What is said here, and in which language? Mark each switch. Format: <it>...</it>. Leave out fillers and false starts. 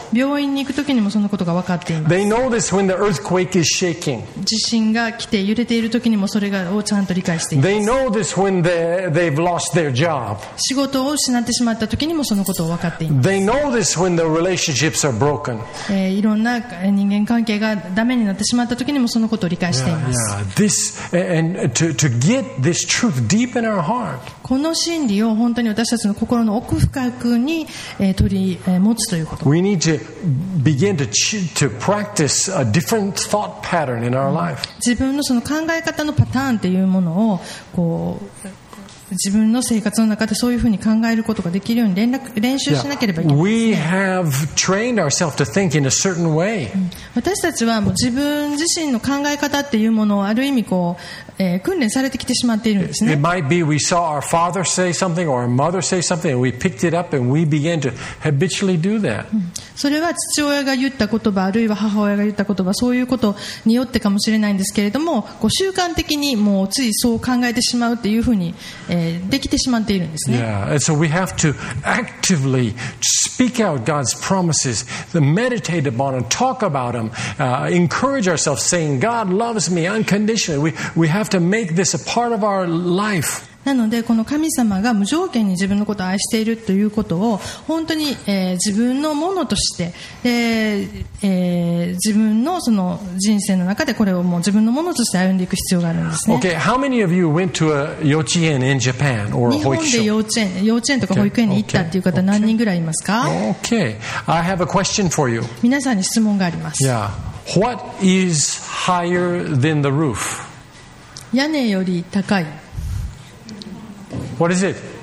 <ja>病院に行くときにもそのことが分かっています。</ja> <en>They know this when the earthquake is shaking.</en> <ja>地震が来て揺れているときにもそれをちゃんと理解しています。</ja> <en>They know this when they've lost their job.</en> <ja>仕事を失ってしまったときにもそのことを分かっています。</ja> <en>They know this when the relationships are broken.</en> <ja>いろんな人間関係がダメになってしまったときにもそのことを理解しています。</ja> <en>yeah, yeah. This, and to get this truth deep in our heart.</en> <ja>この真理を本当に私たちの心の奥深くに取り持つということ。</ja> <en>We need to begin to practice a different thought pattern in our life.</en> <ja>自分のその考え方のパターンというものをこう自分の生活の中でそういうふうに考えることができるように練習しなければいけない、ね、</ja> <en>We have trained ourselves to think in a certain way.</en> <ja>私たちはもう自分自身の考え方っていうものをある意味こう、訓練されてきてしまっているんですね。</ja> <en>It might be we saw our father say something or our mother say something and we picked it up and we began to habitually do that.</en> <ja>それは父親が言った言葉あるいは母親が言った言葉そういうことによってかもしれないんですけれどもこう習慣的にもうついそう考えてしまうっていうふうにできてしまっているんですね。</ja> <en>Yeah, and so we have to actively speak out God's promises, meditate upon them, talk about them, encourage ourselves, saying God loves me unconditionally. We have to make this a part of our life.</en> <ja>なのでこの神様が無条件に自分のことを愛しているということを本当に、自分のものとして、自分のその人生の中でこれをもう自分のものとして歩んでいく必要があるんですね。</ja> <en>Okay, how many of you went to a 幼稚園 in Japan or</en> <ja>日本で幼稚園とか保育園に行ったっていう方何人ぐらいいますか？</ja> <en>Okay, I have a question for you.</en> <ja>皆さんに質問があります。</ja> <en>Yeah, what is higher than the roof?</en> <ja>屋根より高い。</ja> <en>What is it?</en>